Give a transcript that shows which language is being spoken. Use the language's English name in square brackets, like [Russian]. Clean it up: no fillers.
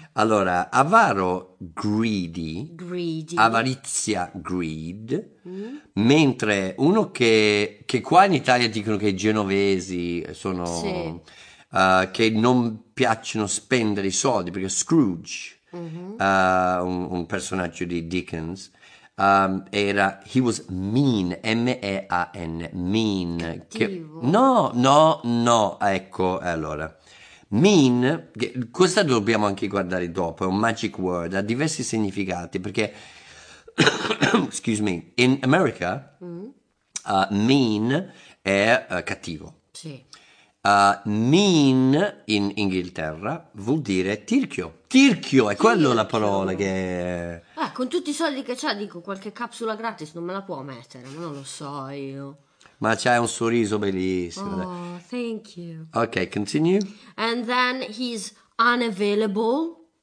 [Italian] Allora, avaro, greedy. [English] Greedy. [Italian] Avarizia, greed. Mentre uno che qua in Italia dicono che i genovesi sono... Sì. Che non piacciono spendere i soldi, perché Scrooge... Mm-hmm. Un personaggio di Dickens era [English] he was mean M-E-A-N mean [Italian] che, no ecco allora mean che, questa dobbiamo anche guardare dopo è un [English] magic word [Italian] ha diversi significati perché [English] excuse me [Italian] in America mean è cattivo sì. Mean in Inghilterra vuol dire tirchio. Tirchio è quello la parola che... Con tutti i soldi che c'ha, dico, qualche capsula gratis non me la può mettere, ma non lo so io. Ma c'hai un sorriso bellissimo. [English] Oh, thank you. Ok, continue. And then he's unavailable.